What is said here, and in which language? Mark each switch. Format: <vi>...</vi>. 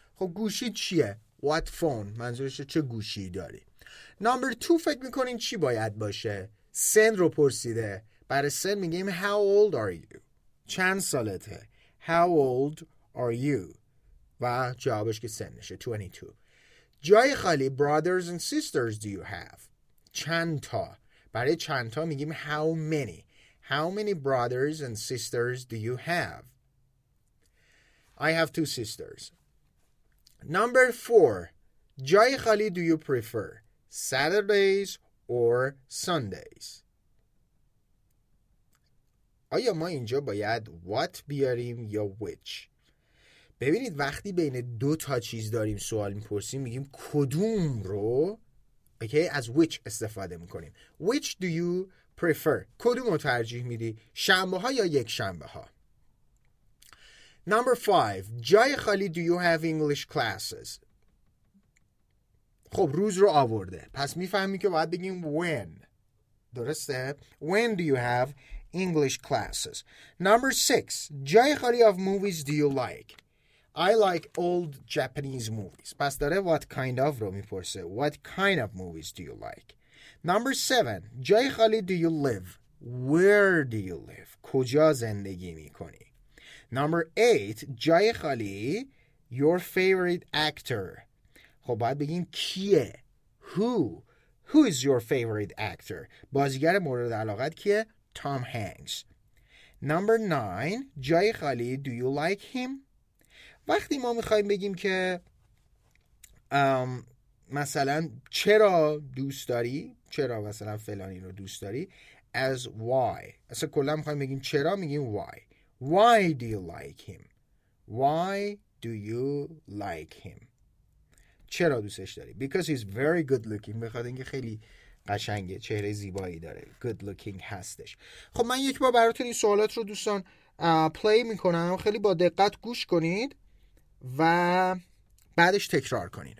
<fa>خب گوشی چیه؟</fa> <en>What phone؟</en> <fa>منظورش چه گوشی داری؟</fa> <en>Number two,</en> <fa>فکر میکنین چی باید باشه؟ سن رو پرسیده. برای سن میگیم</fa> <en>how old are you؟</en> <fa>چند سالته؟</fa> <en>How old are you؟</en> <fa>و جوابش که سن نشه 22. جای خالی</fa> <en>brothers and sisters do you have؟</en> <fa>چند تا؟ برای چند تا میگیم</fa> <en>how many؟ How many brothers and sisters do you have? I have two sisters. Number four.</en> <fa>جای خالی</fa> <en>do you prefer? Saturdays or Sundays?</en> <fa>آیا ما اینجا باید what بیاریم یا which؟ ببینید وقتی بین دو تا چیز داریم سوال میپرسیم، میگیم کدوم رو؟ اوکی؟ از which استفاده میکنیم.</fa> <en>Which do you prefer؟</en> <fa>کدوم رو ترجیح میدی؟ شنبه ها یا یک شنبه ها؟</fa> <en>Number five.</en> <fa>جای خالی</fa> <en>do you have English classes؟</en> <fa>خب روز رو آورده، پس میفهمی که باید بگیم when. درسته؟</fa> <en>When do you have English classes؟ Number six.</en> <fa>جای خالی</fa> <en>of movies do you like؟ I like old Japanese movies.</en> <fa>پس داره</fa> <en>what kind of</en> <fa>رو میپرسه.</fa> <en>What kind of movies do you like؟ Number seven.</en> <fa>جای خالی</fa> <en>do you live? Where do you live?</en> <fa>کجا زندگی میکنی؟</fa> <en>Number eight.</en> <fa>جای خالی</fa> <en>your favorite actor.</en> <fa>خب باید بگیم کیه؟</fa> <en>Who? Who is your favorite actor?</en> <fa>بازیگر مورد علاقت کیه؟ Tom Hanks.</fa> <en>Number nine.</en> <fa>جای خالی</fa> <en>do you like him?</en> <fa>وقتی ما میخواییم بگیم که مثلا چرا دوست داری؟ چرا مثلا فلانی رو دوست داری؟</fa> <en>As why.</en> <fa>اصلا کلا میخواییم بگیم چرا، میگیم why.</fa> <en>Why do you like him? Why do you like him?</en> <fa>چرا دوستش داری؟</fa> <en>Because he's very good looking.</en> <fa>بخواد اینکه خیلی قشنگه، چهره زیبایی داره،</fa> <en>good looking</en> <fa>هستش. خب من یک بار براتون این سوالات رو دوستان پلی میکنم، خیلی با دقت گوش کنید و بعدش تکرار کنید.</fa>